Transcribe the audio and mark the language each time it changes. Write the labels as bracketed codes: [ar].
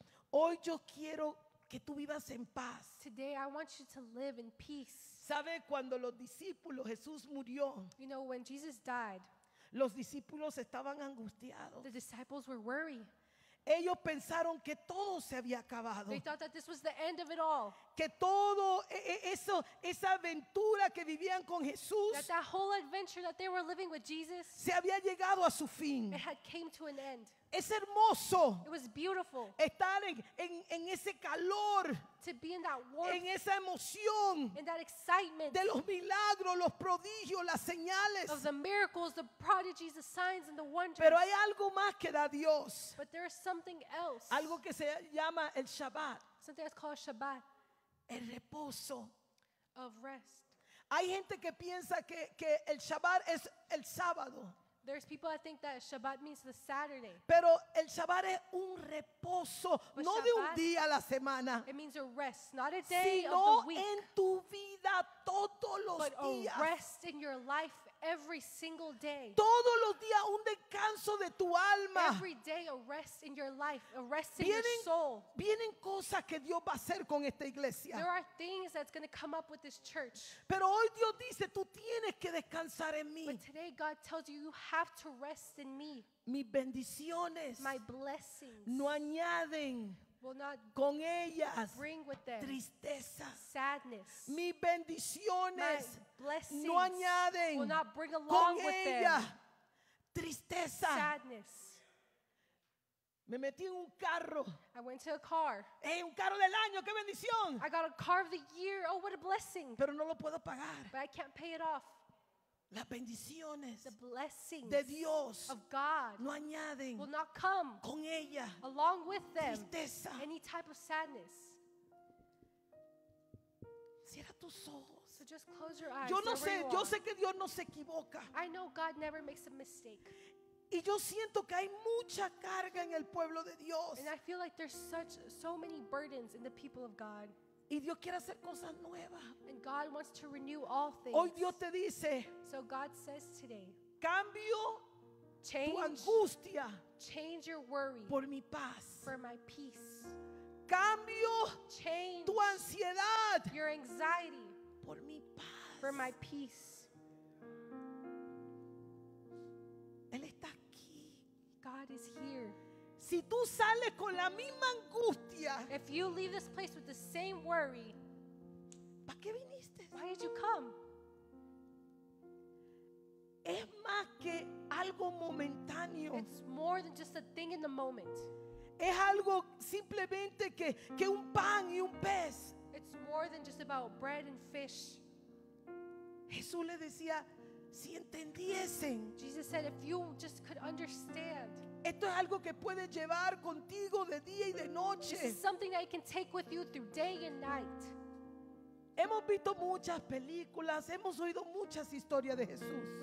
[es] Hoy yo quiero que tú vivas en paz. [en] Today I want you to live in peace. [es] ¿Sabe cuando los discípulos, Jesús murió? [en] You know, when Jesus died, [es] los discípulos estaban angustiados. [en] The disciples were worried. [es] Ellos pensaron que todo se había acabado. [en] They thought that this was the end of it all. [es] Que todo, esa aventura que vivían con Jesús, [en] that whole adventure that they were living with Jesus, [es] se había llegado a su fin. [en] It had came to an end. [es] Es hermoso. [en] It was beautiful. [es] Estar en ese calor. [en] To be in that warmth. [es] En esa emoción. [en] In that excitement. [es] De los milagros, los prodigios, las señales. [en] Of the miracles, the prodigies, the signs and the wonders. [es] Pero hay algo más que da Dios. [en] But there is something else. [es] Algo que se llama el Shabbat. [en] Something that's called Shabbat. [es] El reposo. [en] Of rest. [es] Hay gente que piensa que el Shabbat es el sábado. [en] There's people that think that Shabbat means the Saturday. [es] Pero el Shabbat es un reposo, [en] but [es] no Shabbat, de un día a la semana. [en] It means a rest, not a day [es] sino [en] of the week. [es] En tu vida todos los [en] but [es] días. [en] A rest in your life every single day. [es] Todos los días un descanso de tu alma. [en] Every day a rest in your life, a rest in your soul. [es] Vienen cosas que Dios va a hacer con esta iglesia. [en] There are things that's going to come up with this church. [es] Pero hoy Dios dice, tú tienes que descansar en mí. [en] But today God tells you, you have to rest in me. [es] Mis bendiciones. [en] My blessings. [es] No añaden. [en] Will not [es] con ellas [en] bring with them [es] tristeza. [en] Sadness. [es] Mis bendiciones [en] my blessings [es] no añaden [en] will not bring along [es] con [en] with [es] ella [en] them [es] tristeza. [en] Sadness. [es] Me metí en un carro. [en] I went to a car. [es] Hey, un carro del año, qué bendición. [en] I got a car of the year. Oh, what a blessing. [es] Pero no lo puedo pagar. [en] But I can't pay it off. [es] Las bendiciones [en] the blessings [es] de Dios [en] of God [es] no añaden [en] will not come [es] con ella [en] along with them [es] tristeza. [en] Any type of sadness. [es] Cierra tus ojos. [en] So just close your eyes. [es] Yo no sé, yo sé que Dios no se equivoca. [en] I know God never makes a mistake. [es] Y yo siento que hay mucha carga en el pueblo de Dios. [en] And I feel like there's so many burdens in the people of God. [es] Y Dios quiere hacer cosas nuevas. [en] And God wants to renew all things. [es] Hoy Dios te dice, [en] so God says today, [es] cambio [en] change, [es] tu angustia [en] change your worry [es] por mi paz. [en] For my peace. [es] Cambio [en] change [es] tu ansiedad [en] your anxiety [es] por mi paz. [en] For my peace. [es] Él está aquí. [en] God is here. [es] Si tú sales con la misma angustia, [en] if you leave this place with the same worry, [es] ¿para qué viniste? [en] Why did you come? [es] Es más que algo momentáneo. [en] It's more than just a thing in the moment. [es] Es algo simplemente que un pan y un pez. [en] It's more than just about bread and fish. [es] Jesús le decía, si entendiesen. [en] Jesus said, if you just could understand. [es] Esto es algo que puedes llevar contigo de día y de noche. [en] This is something that you can take with you through day and night. [es] Hemos visto muchas películas, hemos oído muchas historias de Jesús.